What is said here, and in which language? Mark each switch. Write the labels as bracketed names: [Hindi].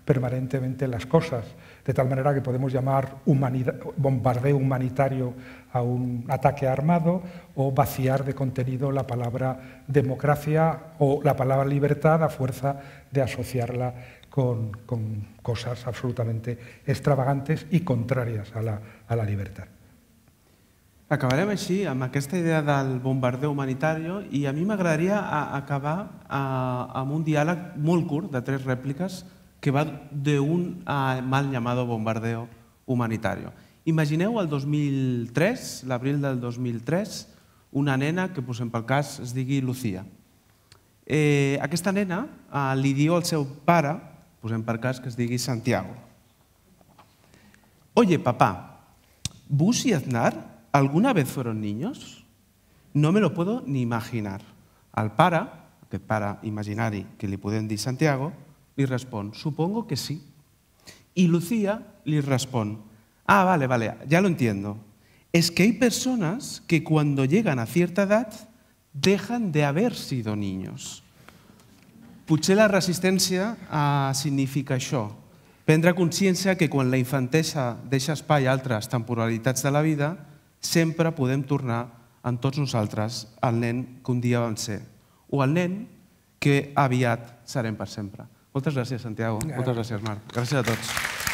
[Spanish] permanentemente las cosas, de tal manera que podemos llamar bombardeo humanitario a un ataque armado o vaciar de contenido la palabra democracia o la palabra libertad a fuerza de asociarla con cosas absolutamente extravagantes y contrarias a la libertad. [Catalan] Acabarem així, amb aquesta idea del [Spanish] bombardeo humanitario, [Catalan] i a mi m'agradaria acabar amb un diàleg molt curt, de tres rèpliques, que va d'un [Spanish] mal llamado bombardeo humanitario. [Catalan] Imagineu el 2003, l'abril del 2003, una nena que, posem pel cas, es digui Lucía. Aquesta nena li diu al seu pare, posem pel cas, que es digui Santiago. [Spanish] Oye, papá, ¿vos y Aznar alguna vez fueron niños? No me lo puedo ni imaginar. [Catalan] Al pare, aquest pare imaginari que li podem dir Santiago, li respon, [Spanish] supongo que sí. [Catalan] I Lucía li respon, [Spanish] ah, vale, vale, ya lo entiendo. Es que hay personas que cuando llegan a cierta edad dejan de haber sido niños. [Catalan] Potser la resistència significa això, prendre consciència que quan la infantesa deixa espai a altres temporalitats de la vida, sempre podem tornar amb tots nosaltres al nen que un dia vam ser o al nen que aviat serem per sempre. Moltes gràcies, Santiago. Moltes gràcies, Marc. Gràcies a tots.